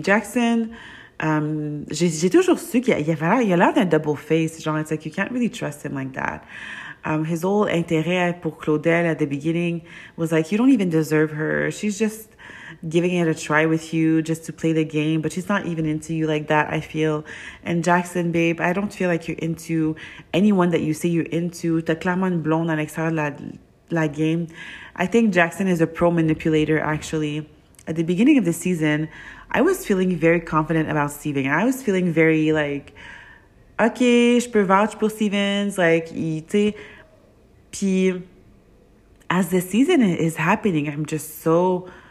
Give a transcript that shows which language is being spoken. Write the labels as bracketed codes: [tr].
[fr] Jackson, j'ai toujours su qu'il y avait il a l'air d'un double face. [en] Genre, it's like, you can't really trust him like that. His whole intérêt pour Claudel at the beginning was like, you don't even deserve her. She's just giving it a try with you just to play the game, but she's not even into you like that, I feel. And Jackson, babe, I don't feel like you're into anyone that you say you're into. [fr] T'as clairement une blonde à l'extérieur de la game. [en] I think Jackson is a pro manipulator, actually. At the beginning of the season, I was feeling very confident about Steven. I was feeling very, like, okay, [fr] je peux vouch pour Stevens, [en] like, [fr] tu sais. [en] Puis, as the season is happening, I'm just so...